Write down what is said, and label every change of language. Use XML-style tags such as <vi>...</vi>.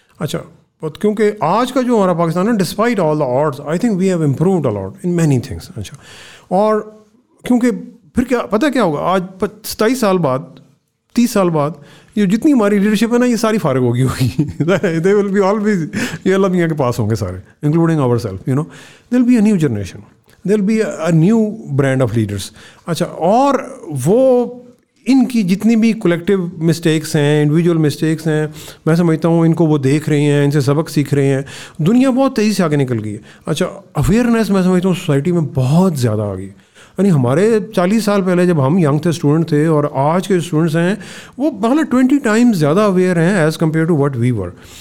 <hi>अच्छा बहुत, क्योंकि आज का जो हमारा पाकिस्तान है,</hi> <en>Despite all the odds, I think we have improved a lot in many things.</en> <hi>अच्छा, और क्योंकि फिर क्या पता क्या होगा, आज 27 साल बाद, 30 साल बाद, ये जितनी हमारी लीडरशिप है ना, ये सारी फारिग होगी होगी.</hi> <en>they will be all be</en> <hi>ये अल्लाह मियाँ के पास होंगे सारे,</hi> <en>Including our self, you know. They will be a new generation, there'll be a new brand of leaders.</en> <hi>अच्छा, और वो इनकी जितनी भी कलेक्टिव मिस्टेक्स हैं, इंडिविजुअल मिस्टेक्स हैं, मैं समझता हूँ इनको वो देख रहे हैं, इनसे सबक सीख रहे हैं. दुनिया बहुत तेज़ी से आगे निकल गई है. अच्छा, अवेयरनेस मैं समझता हूँ सोसाइटी में बहुत ज़्यादा आ गई. यानी हमारे 40 साल पहले जब हम यंग थे, स्टूडेंट थे, और आज के स्टूडेंट्स हैं वो मतलब 20 times ज़्यादा अवेयर हैं</hi> <en>As compared to what we were.</en>